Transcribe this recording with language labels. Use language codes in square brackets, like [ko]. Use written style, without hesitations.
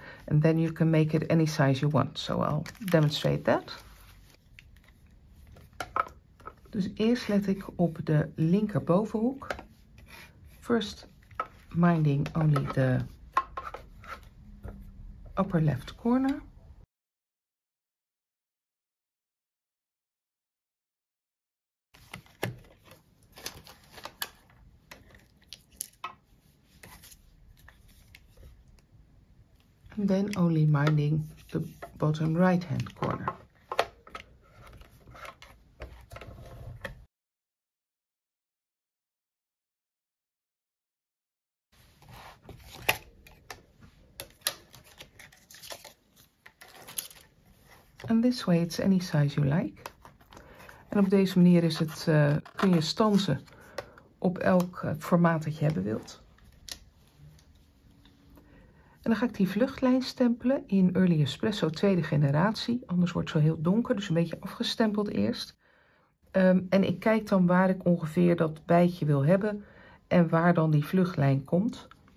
[en] And then you can make it any size you want. So I'll demonstrate that. [nl] Dus eerst let ik op de linker bovenhoek. [en] First, minding only the upper left corner. And then only minding the bottom right hand corner. And this way it's any size you like. [nl] En op deze manier is het, kun je stansen op elk formaat dat je hebben wilt. En dan ga ik die vluchtlijn stempelen in Early Espresso tweede generatie. Anders wordt het zo heel donker, dus een beetje afgestempeld eerst. En ik kijk dan waar ik ongeveer dat bijtje wil hebben en waar dan die vluchtlijn komt.